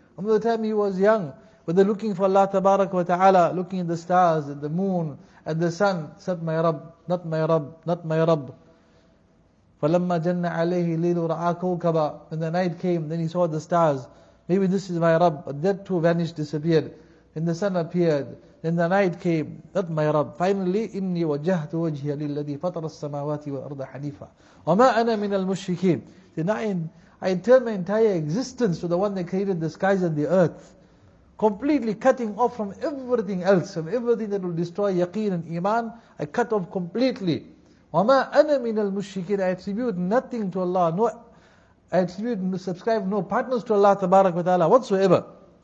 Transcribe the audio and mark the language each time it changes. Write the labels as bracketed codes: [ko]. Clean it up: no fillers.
[en] From the time he was young, with the looking for Allah tabarak wa ta'ala, looking at the stars, at the moon, at the sun, said, my Rabb, not my Rabb, not my Rabb. [ar] فَلَمَّا جَنَّ عَلَيْهِ لَيْلُ رَعَىٰ كَوْكَبَىٰ. [en] When the night came, then he saw the stars. Maybe this is my Rabb. But that too vanished, disappeared. Then the sun appeared, then the night came. That my Rabb. Finally, [ar] إِنِّي وَجَّهْتُ وَجْهِيَ لِلَّذِي فَطَرَ السَّمَاوَاتِ وَالْأَرْضَ حَنِيفًا وَمَا أَنَا مِنَ الْمُشْرِكِينَ. [en] Then I turn my entire existence to the one that created the skies and the earth. Completely cutting off from everything else, from everything that will destroy yaqeen and iman, I cut off completely. [ar] وَمَا أَنَا مِنَ الْمُشْرِكِينَ. [en] I attribute nothing to Allah, subscribe no partners to Allah tabarak wa ta'ala whatsoever.